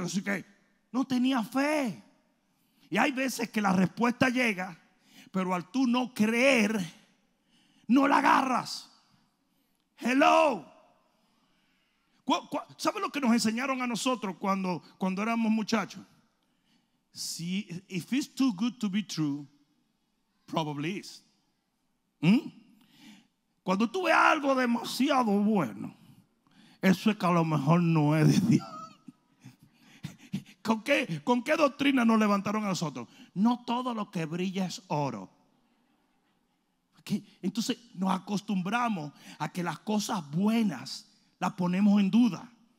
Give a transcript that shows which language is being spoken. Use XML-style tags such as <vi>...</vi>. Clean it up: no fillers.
<es>Así que no tenía fe. Y hay veces que la respuesta llega, pero al tú no creer, no la agarras.</es> <en>Hello.</en> <es>¿Sabes lo que nos enseñaron a nosotros cuando éramos muchachos?</es> <en>Si, if it's too good to be true, probably is. ¿Mm?</en> <es>Cuando tú ves algo demasiado bueno, eso es que a lo mejor no es de Dios. ¿Con qué doctrina nos levantaron a nosotros? No todo lo que brilla es oro. ¿Qué? Entonces nos acostumbramos a que las cosas buenas las ponemos en duda.</es>